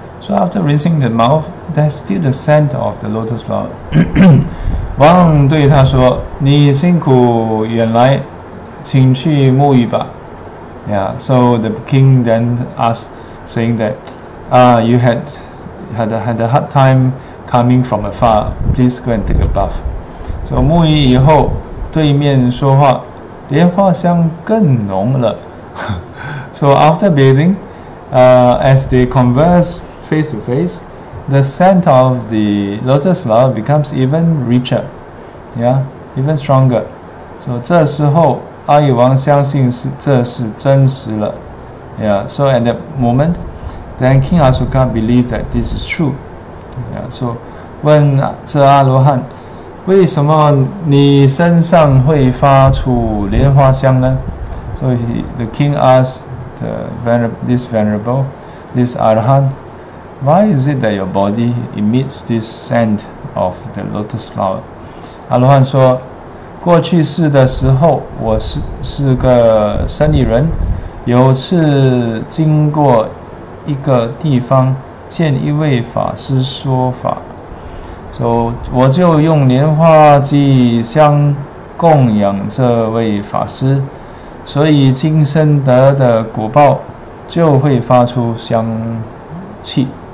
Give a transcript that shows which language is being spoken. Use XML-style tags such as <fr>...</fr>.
<en>So after rinsing the mouth, there's still the scent of the lotus flower.</en> <zh>王对他说：“你辛苦，原来请去沐浴吧。”</zh> <en>Yeah. So the king then asked, saying that, you had a hard time coming from afar. Please go and take a bath.</en> <zh>So 沐浴以后，对面说话。</zh> <en>So after bathing, as they converse face to face, the scent of the lotus flower becomes even richer, yeah, even stronger.</en> <zh>So 这时候阿育王相信这是真实了, yeah.</zh> <en>So at that moment, then King Asoka believed that this is true. Yeah.</en> <zh>So 问这阿罗汉, 为什么你身上会发出莲花香呢?</zh> <en>So the king asked this Arahant, why is it that your body emits this scent of the lotus flower?</en> <zh>Arahant 说，过去世的时候，我是个生意人， 有次经过一个地方，见一位法师说法。 So, 我就用莲花祭香供养这位法师，所以今生得的果报就会发出香气。</zh>